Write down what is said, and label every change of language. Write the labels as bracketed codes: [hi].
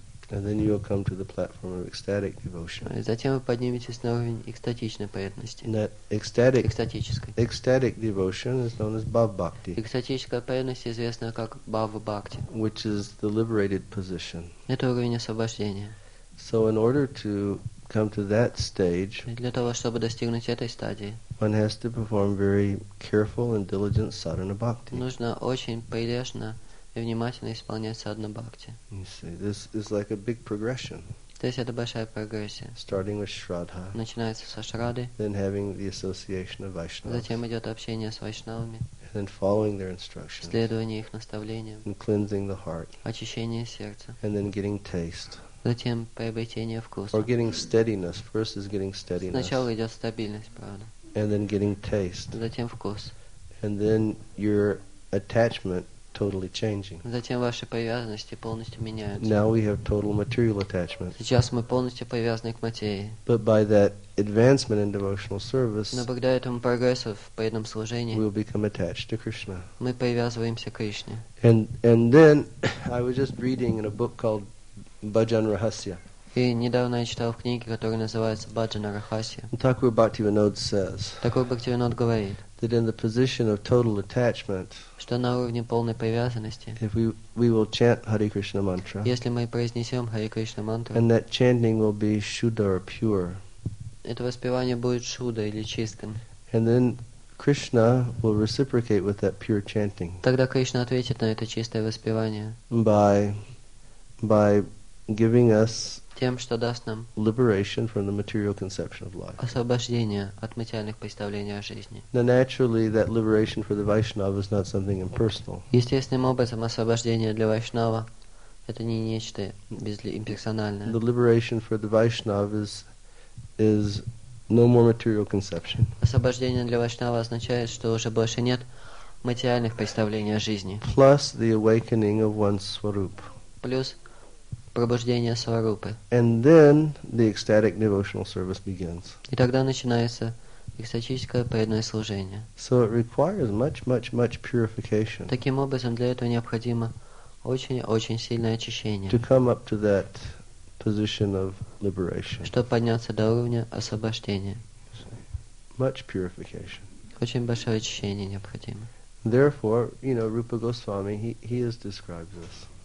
[en] And then you'll come to the platform of ecstatic devotion. [ru] И затем вы подниметесь на уровень экстатичной преданности. Экстатической. [en] Ecstatic devotion is known as bhava bhakti. [ru] Экстатическая преданность известна как bhava bhakti. [en] Which is the liberated position. [ru] Это уровень освобождения. [en] So in order to come to that stage, [ru] для того, чтобы достигнуть этой стадии, [en] one has to perform very careful and diligent sadhana bhakti. [ru] Нужно очень прилежно и внимательно исполнять садхана бхакти. [en] You see, this is like a big progression. [ru] То есть это большая прогрессия. [en] Starting with shraddha. [ru] Начинается со шрады. [en] Then having the association of Vaishnavas. [ru] Затем идет общение с вайшнавами. [en] And then following their instructions. [ru] Следование их наставлениям. [en] And cleansing the heart. [ru] Очищение сердца. [en] And then getting taste. [ru] Затем приобретение вкуса. [en] Or getting steadiness. First is getting steadiness. [ru] Сначала идет стабильность, правда. [en] And then getting taste. [ru] Затем вкус. [en] And then your attachment totally changing. [ru] Затем ваши привязанности полностью меняются. [en] Now we have total material attachment. [ru] Сейчас мы полностью привязаны к материи. [en] But by that advancement in devotional service, [ru] но благодаря этому прогрессу в преданном служении, [en] we'll become attached to Krishna. [ru] Мы привязываемся к Кришне. [en] And then I was just reading in a book called Bhajan Rahasya. [ru] И недавно я читал в книге, которая называется Bhajan Rahasya. [en] Thakur Bhaktivinoda says. [ru] Thakur Bhaktivinoda говорит. [en] That in the position of total attachment, [ru] что на уровне полной привязанности, [en] if we will chant Hare Krishna mantra, [ru] если мы произнесем Hare Krishna mantra, [en] and that chanting will be shuddha or pure, [ru] это воспевание будет шуда или чистым, [en] and then Krishna will reciprocate with that pure chanting, [ru] тогда Кришна ответит на это чистое воспевание, [en] by giving us [ru] тем, что даст нам [en] liberation from the material conception of life. [ru] Освобождение от материальных представлений о жизни. [en] Now naturally, that liberation for the Vaishnava is not something impersonal. [ru] Естественным образом освобождение для Вайшнава это не нечто имперсональное. [en] The liberation for the Vaishnava is no more material conception. [ru] Освобождение для Вайшнава означает, что уже больше нет материальных представлений о жизни. [en] Plus the awakening of one's swarup. [ru] Плюс пробуждение сварупы. [en] And then the ecstatic devotional service begins. [ru] И тогда начинается экстатическое преданное служение. [en] So it requires much, much, much purification. [ru] Таким образом, для этого необходимо очень-очень сильное очищение. [en] To come up to that position of liberation. [ru] Чтобы подняться до уровня освобождения. [en] Much purification. [ru] Очень большое очищение необходимо. [en] Therefore, you know, Rupa Goswami, he has described this.